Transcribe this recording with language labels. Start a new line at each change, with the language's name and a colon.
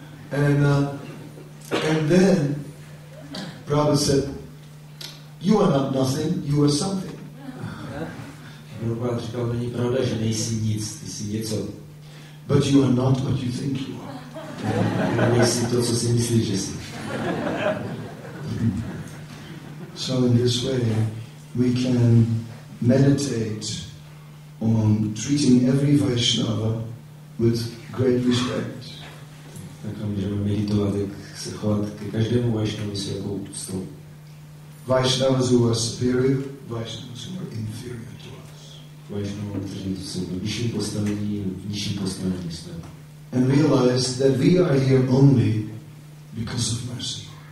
English: and then Prabhupada said, you are not nothing, you are something.
Czech: Prabhupada říkal, není pravda, že nejsi nic, ty jsi něco.
English: But you are not what you think you are.
Czech: Nejsi to, co si myslíš, že jsi.
English: So in this way, we can meditate on treating every Vaishnava with great respect.
Czech: Tak můžeme meditovat, jak se chovat ke každému Vaishnavu s jakou úctou.
English: Vaishnavas who are superior, Vaishnavas who are inferior to us.
Czech: Vaishnavas, kteří jsou v nižším postavení, v nižším postavení jsme.
English: And realize that we are here only because of mercy.